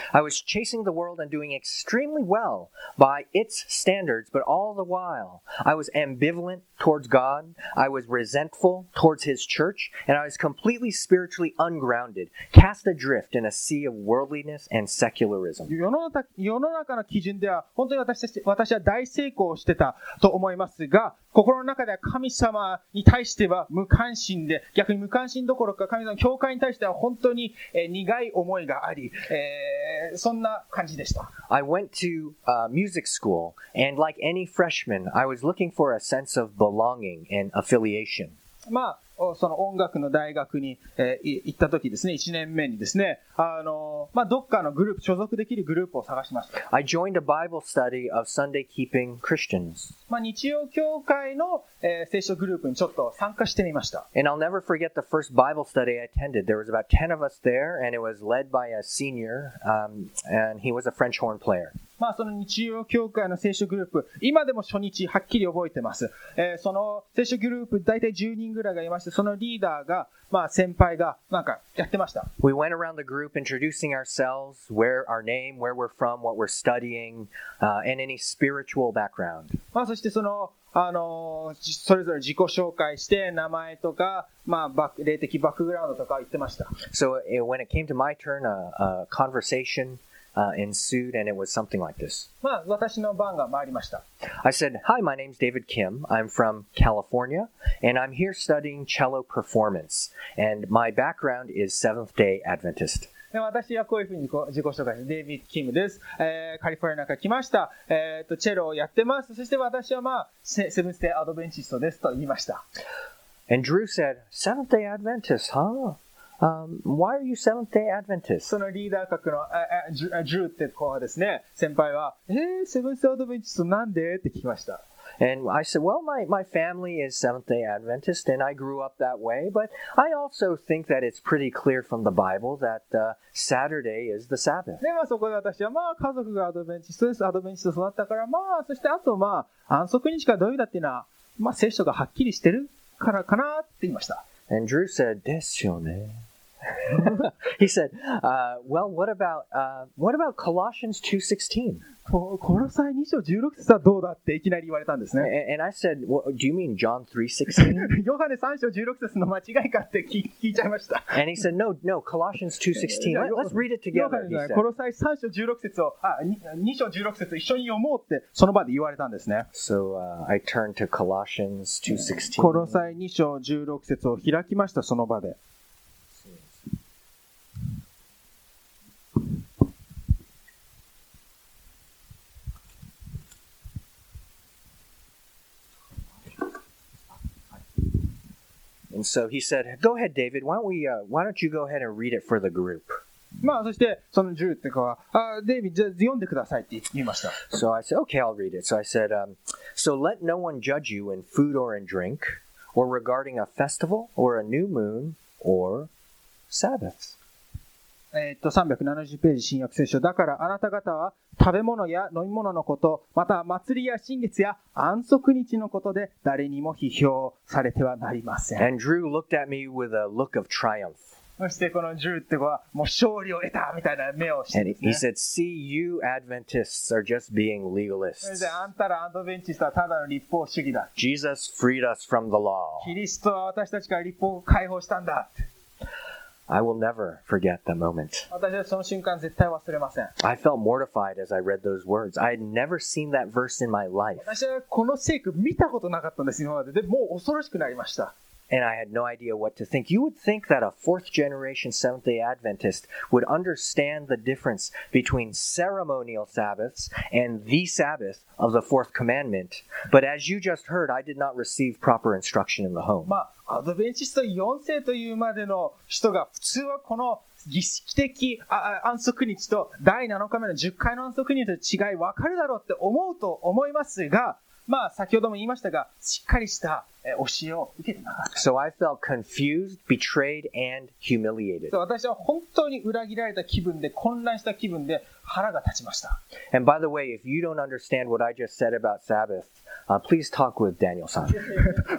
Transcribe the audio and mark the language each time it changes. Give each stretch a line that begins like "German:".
English: I was chasing the world and doing extremely well by its standards, but all the while, I was ambivalent towards God, I was resentful towards His church, and I was completely spiritually ungrounded, cast adrift in a sea of worldliness and secularism.
Japanese: 世の中の基準では本当に私は大成功してたと思いますが、心の中では神様に対しては無関心で、逆に無関心どころか神様の教会に対しては本当に、苦い思いがあり、そんな感じでした。
English: I went to music school and like any freshman, I was looking for a sense of belonging and affiliation.
Japanese: まあその音楽の大学に、行った時ですね、1年目にですね、まあ、どっかのグループ、所属できるグループを探しました。
English: I joined a Bible study of Sunday keeping Christians.
Japanese: まあ、日曜教会の、聖書グループにちょっと参加してみました。
English: And I'll never forget the first Bible study I attended. There was about 10 of us there, and it was led by a senior, and he was a French horn player.
Japanese: まあ、その日曜教会の聖書グループ、今でも初日はっきり覚えてます。その聖書グループ、大体10人ぐらいがいまして、そのリーダーが、まあ、先輩が、なんかやってました。
English: We went around the group introducing ourselves, where our name, where we're from, what we're studying, and any spiritual background.
Japanese: まあ、そしてその、それぞれ自己紹介して、名前とか、まあ、霊的バックグラウンドとか言ってました。
English: So, when it came to my turn, a conversation,ensued, and it was something like this.
Japanese: まあ、私の番が参りました。
English: I said, Hi, my name's David Kim. I'm from California, and I'm here studying cello performance. And my background is Seventh-day Adventist.
Japanese: で私はこういうふうに自己紹介です。デイビッド・キムです。カリフォルニアから来ました。チェロをやってます。そして私はまあ、セブンス・デイ・アドベンチストですと言いました。
English: And Drew said, Seventh-day Adventist, huh? Why are you Seventh-day Adventist?
Japanese: そのリーダー格の、Drew って子はですね、先輩は、セブンス・デイ・アドベンチストなんでって聞きました。
English: And I said, well, my family is Seventh-day Adventist, and I grew up that way, but I also think that it's pretty clear from the Bible that, Saturday is the Sabbath.
Japanese: で、まあ、そこで私は、まあ、家族がアドベンチスト育ったから、まあ、そして、あと、まあ、安息日が土曜日だっていうのは、まあ、聖書がはっきりしてるからかなって言いました。
English: And Drew said,
Japanese: ですよね。
English: He said, well, what about Colossians 2:16?
Japanese: コロサイ2章16節はどうだっていきなり言われたんですね。
English: And I said, well, do you mean John 3:16?
Japanese: ヨハネ3章16節の間違いかって聞いちゃいました。
English: And he said, no, Colossians 2:16. Let's read it together.
Japanese: コロサイ3章16節を、2章16節を一緒に読もうってその場で言われたんですね。
English: So, I turned to Colossians 2:16.
Japanese: コロサイ2章16節を開きました、その場で。
English: And so he said, go ahead, David, why don't you go ahead and read it for the group?
Japanese: まあ、そして、そのジューって子は、デイビッド、読んでくださいって言いました。
English: So I said, okay, I'll read it. So I said, so let no one judge you in food or in drink, or regarding a festival, or a new moon, or Sabbaths.
Japanese: 370ページ新約聖書。だから、あなた方は食べ物や飲み物のこと、また祭りや新月や安息日のことで誰にも批評されてはなりません。
English: And Drew looked at me with a look of triumph.
Japanese: そしてこのジューって子はもう勝利を得たみたいな目をしてですね。
English: And he said, see you Adventists are just being legalists.
Japanese: それであんたらアドベンチストはただの立法主義だ。
English: Jesus freed us from the law.
Japanese: キリストは私たちから立法を解放したんだ。
English: I will never forget the moment.
Japanese: 私はその瞬間絶対忘れません。
English: I felt mortified as I read those words. I had never seen that verse in my life.
Japanese: 私はこの聖句見たことなかったんです、今まで。でもう恐ろしくなりました。
English: And I had no idea what to think. You would think that a fourth generation Seventh-day Adventist would understand the difference between ceremonial Sabbaths and the Sabbath of the fourth commandment. But as you just heard, I did not receive proper instruction in the home.
Japanese: まあ、アドベンチスト4世というまでの人が普通はこの儀式的安息日と第7日目の10回の安息日の違い分かるだろうって思うと思いますが、まあ、先ほども言いましたが、しっかりした教えを受けてなかった。
English: So I felt confused, betrayed, and humiliated.
Japanese: 私は本当に裏切られた気分で、混乱した気分で腹が立ちました。
English: And by the way, if you don't understand what I just said about Sabbath, please talk with Daniel さん。